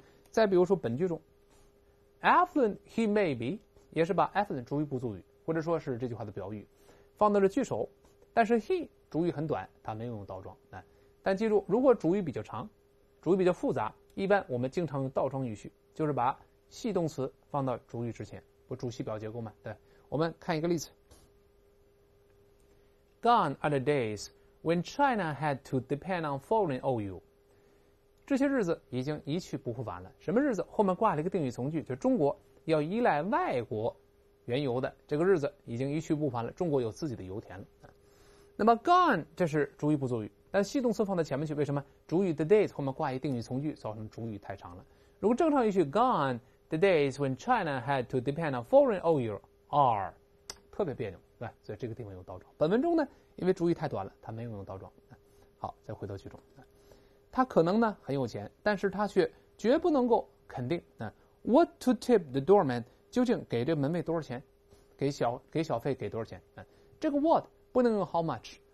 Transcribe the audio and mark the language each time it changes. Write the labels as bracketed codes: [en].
[zh] 再比如说本句中 ， [en] affluent he may be， [zh] 也是把 affluent 主语补足语，或者说是这句话的表语，放到了句首，但是 he 主语很短，他没有用倒装。但记住，如果主语比较长，主语比较复杂，一般我们经常用倒装语序，就是把系动词放到主语之前，不主系表结构嘛？对。我们看一个例子。 [en] Gone are the days when China had to depend on foreign oil. [zh] 这些日子已经一去不复返了。什么日子？后面挂了一个定语从句，就中国要依赖外国原油的这个日子已经一去不返了。中国有自己的油田了。那么 gone 这是主语不足语，但系动词放在前面去，为什么？主语 the days 后面挂一个定语从句，造成主语太长了。如果正常一句 [en] gone the days when China had to depend on foreign oil。 [zh] are 特别别扭，对吧？所以这个地方用倒装。本文中呢，因为主语太短了，他没有用倒装。好，再回到句中，他可能呢很有钱，但是他却绝不能够肯定。 [en] What to tip the doorman？ [zh] 究竟给这门卫多少钱？给小费给多少钱？这个 what 不能用 how much。